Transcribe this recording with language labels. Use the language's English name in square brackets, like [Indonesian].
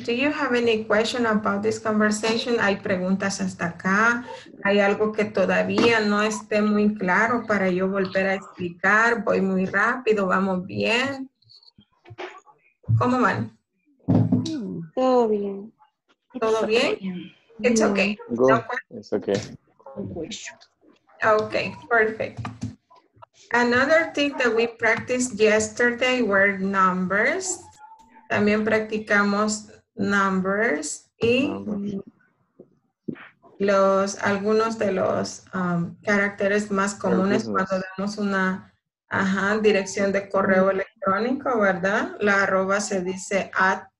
[English] Do you have any question about this conversation? [Spanish] ¿Hay preguntas hasta acá? ¿Hay algo que todavía no esté muy claro para yo volver a explicar? ¿Voy muy rápido? ¿Vamos bien? ¿Cómo van? Todo bien. [English] It's okay. It's okay. Okay, perfect. Another thing that we practiced yesterday were numbers. [Spanish] También practicamos numbers y los algunos de los caracteres más comunes cuando damos una dirección de correo electrónico, ¿verdad? La arroba se dice at.